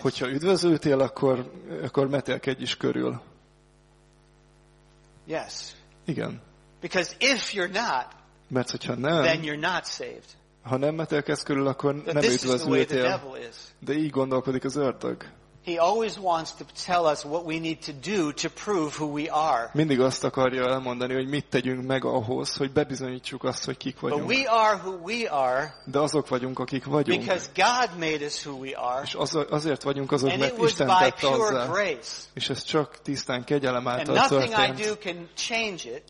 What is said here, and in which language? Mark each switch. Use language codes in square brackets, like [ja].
[hu] Hogyha üdvözültél, akkor metélkedj is körül. [en] Yes. [hu] Igen. [en] Because if you're not, [hu] mert hogyha nem, [en] then you're not saved. [hu] Ha nem metélkedsz körül, akkor nem üdvözültél. De így gondolkodik az ördög. [en] He always wants to tell us what we need to do to prove who we are. [hu] Mindig azt akarja elmondani, hogy mit tegyünk meg ahhoz, hogy bebizonyítsuk azt, hogy kik vagyunk. [en] But we are who we are. [hu] De azok vagyunk, akik vagyunk. [en] Because God made us who we are. [hu] És azért vagyunk azok, mert Isten tett azzá. És ez csak tisztán kegyelem által történt. [en] And nothing I do can change it.